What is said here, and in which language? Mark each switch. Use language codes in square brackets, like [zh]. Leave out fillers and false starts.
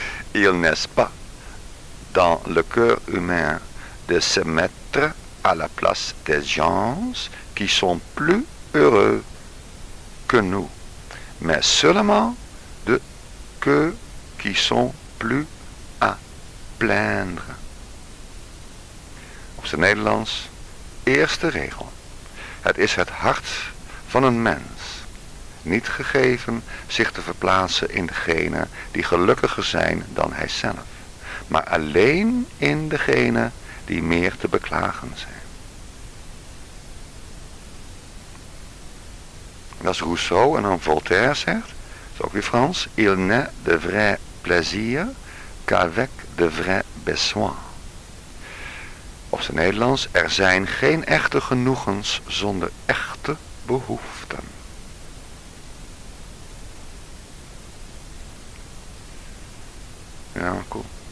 [fr] Il n'est pas dans le cœur humain de se mettre à la place des gens qui sont plus heureux que nous. Mais seulement de que qui sont plus plaindre. [nl] Op zijn Nederlands, eerste regel. Het is het hart van een mens niet gegeven zich te verplaatsen in degene die gelukkiger zijn dan hij zelf, maar alleen in degene die meer te beklagen zijn. Dat is Rousseau en dan Voltaire zegt, dat is ook weer Frans, [fr] il n'est de vrai plaisir qu'avec de vrai besoin. [nl] Op zijn Nederlands, er zijn geen echte genoegens zonder echte behoeften. Ja, cool.